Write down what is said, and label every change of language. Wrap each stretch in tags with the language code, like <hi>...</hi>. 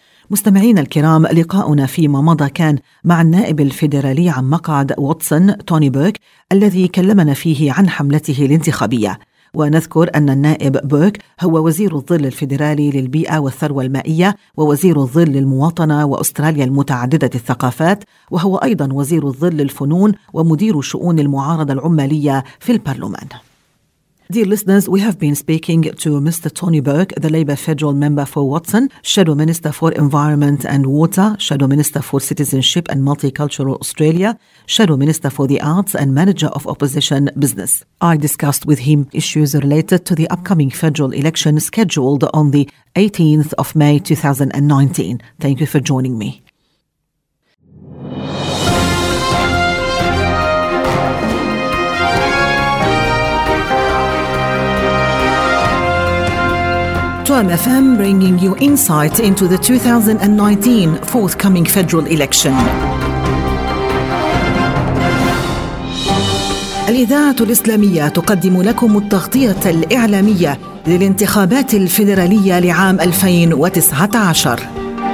<ar>مستمعين الكرام، لقاؤنا فيما مضى كان مع النائب الفيدرالي عن مقعد واتسون توني بيرك، الذي كلمنا فيه عن حملته الانتخابية. ونذكر أن النائب بيرك هو وزير الظل الفيدرالي للبيئة والثروة المائية ووزير الظل للمواطنة وأستراليا المتعددة الثقافات، وهو أيضا وزير الظل للفنون ومدير شؤون المعارضة العمالية في البرلمان.</ar> <en>Dear listeners, we have been speaking to Mr. Tony Burke, the Labour Federal Member for Watson, Shadow Minister for Environment and Water, Shadow Minister for Citizenship and Multicultural Australia, Shadow Minister for the Arts and Manager of Opposition Business. I discussed with him issues related to the upcoming federal election scheduled on the 18th of May 2019. Thank you for joining me. Term FM bringing you insight into the 2019 forthcoming federal election.</en> <ar>الإذاعة الإسلامية تقدم لكم التغطية الإعلامية للانتخابات الفيدرالية لعام 2019.</ar>